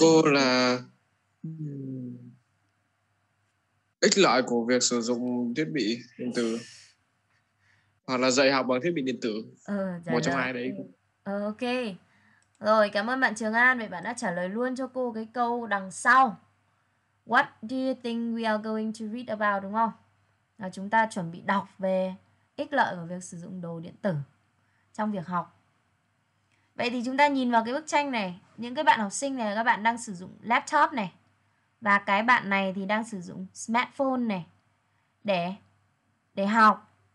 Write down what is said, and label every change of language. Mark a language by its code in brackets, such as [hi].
[vi] Cô là ích lợi của việc sử dụng thiết bị điện tử hoặc là dạy học bằng thiết bị điện tử. Một trong hai đấy. Ok. Rồi, cảm ơn bạn Trường An vì bạn đã trả lời luôn cho cô cái câu đằng sau. [en] What do you think we are going to read about, [vi] đúng không? Là chúng ta chuẩn bị đọc về ích lợi của việc sử dụng đồ điện tử trong việc học. Vậy thì chúng ta nhìn vào cái bức tranh này, những cái bạn học sinh này, các bạn đang sử dụng laptop này, và cái bạn này thì đang sử dụng smartphone này để học.